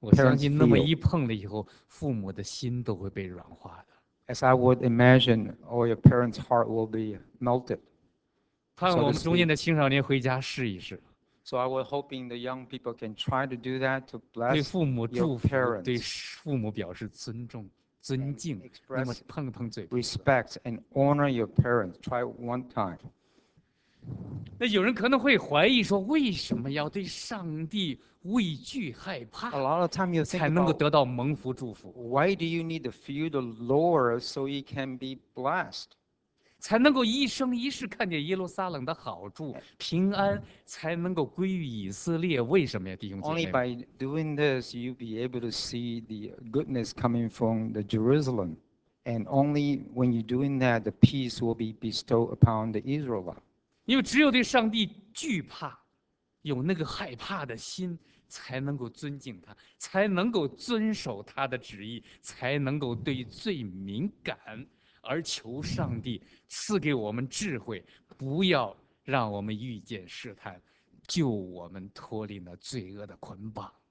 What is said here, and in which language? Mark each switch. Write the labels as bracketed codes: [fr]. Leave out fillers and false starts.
[zh] 我相信那么一碰了以后，父母的心都会被软化的。 [en] As I would imagine, all your parents' heart will be melted. [zh] 看我们中间的青少年回家试一试。 [en] So I was hoping the young people can try to do that to bless your parents. [zh] 对父母祝福，对父母表示尊重、尊敬。 [en] Express [zh] 那么碰碰嘴。 [en] Respect and honor your parents. Try one time. [zh] 那有人可能会怀疑说，为什么要对上帝畏惧害怕 [en] ？A lot of time you think [zh] 才能够得到蒙福祝福。 [en] Why do you need to fear the Lord so you can be blessed? [zh] 才能够一生一世看见耶路撒冷的好处，平安才能够归于以色列。为什么呀，弟兄姐妹 [en] ？Only by doing this, you'll be able to see the goodness coming from the Jerusalem, and only when you're doing that, the peace will be bestowed upon the Israelites. [zh] 因为只有对上帝惧怕，有那个害怕的心，才能够尊敬他，才能够遵守他的旨意，才能够对罪敏感。而求上帝赐给我们智慧，不要让我们遇见试探，救我们脱离那罪恶的捆绑。